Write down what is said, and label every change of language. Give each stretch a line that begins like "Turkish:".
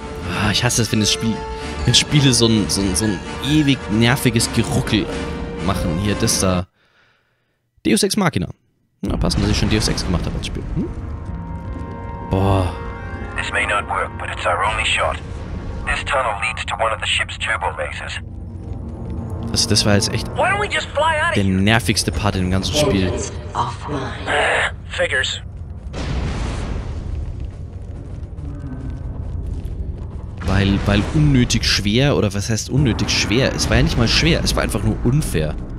German: Ah, ich hasse es, wenn das Spiel, wenn Spiele so ein ewig nerviges Geruckel machen. Hier, das da. Deus Ex Machina. Na, passend, dass ich schon Deus Ex gemacht habe als Spiel. Hm? Boah.
English: This may not work, but it's our only shot. This tunnel leads to one of the ship's turbo lasers.
German: Das war jetzt echt der nervigste Part im ganzen Spiel.
English: Figures.
German: Weil unnötig schwer, oder was heißt unnötig schwer? Es war ja nicht mal schwer, es war einfach nur unfair.